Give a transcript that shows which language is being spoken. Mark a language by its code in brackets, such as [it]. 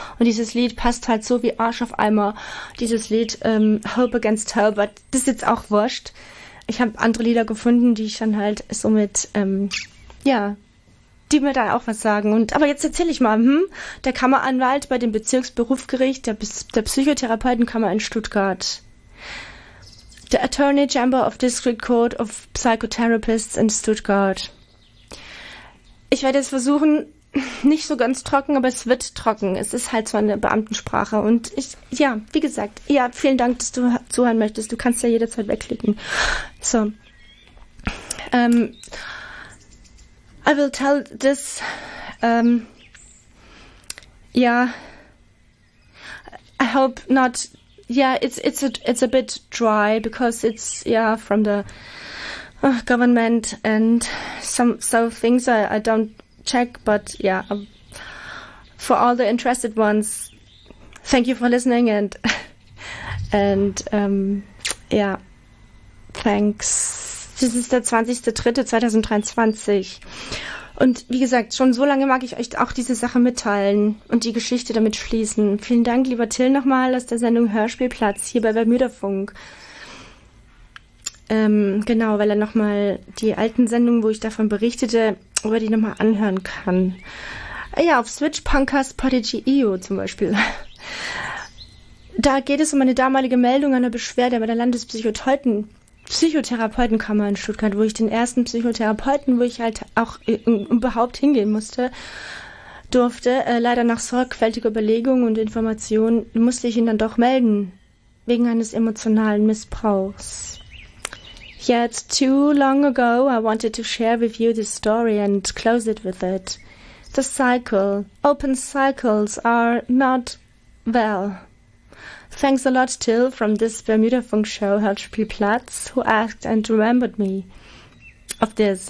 [de] Und dieses Lied passt halt so wie Arsch auf Eimer, dieses Lied Hope Against Hope. Das ist jetzt auch wurscht. Ich habe andere Lieder gefunden, die ich dann halt so mit, ja, die mir da auch was sagen. Und aber jetzt erzähle ich mal, der Kammeranwalt bei dem Bezirksberufgericht, der Psychotherapeutenkammer in Stuttgart. [en] The Attorney General of District Court of Psychotherapists in Stuttgart. [de] Ich werde es versuchen, nicht so ganz trocken, aber es wird trocken. Es ist halt so eine Beamtensprache. Und ich, ja, wie gesagt, ja, vielen Dank, dass du zuhören möchtest. Du kannst ja jederzeit wegklicken. So. [en] I will tell this, yeah, I hope not, yeah, it's a bit dry, because it's, yeah, from the government, and so things I don't check, but yeah, for all the interested ones, thank you for listening, and thanks. [de] Das ist der 20.03.2023. Und wie gesagt, schon so lange mag ich euch auch diese Sache mitteilen und die Geschichte damit schließen. Vielen Dank, lieber Till, nochmal aus der Sendung Hörspielplatz hier bei Bermüderfunk. Genau, weil er nochmal die alten Sendungen, wo ich davon berichtete, wo er die nochmal anhören kann. Ja, auf Switch Punkers Podigy EU zum Beispiel. Da geht es um eine damalige Meldung einer Beschwerde bei der Landespsychotherapeutenkammer in Stuttgart, wo ich den ersten Psychotherapeuten, wo ich halt auch überhaupt hingehen durfte, leider nach sorgfältiger Überlegung und Information, musste ich ihn dann doch melden, wegen eines emotionalen Missbrauchs. [en] Yet too long ago I wanted to share with you this story and close it with it. The cycle, open cycles are not well. Thanks a lot, Till, from this Bermudafunk show, Hörspielplatz, who asked and remembered me of this.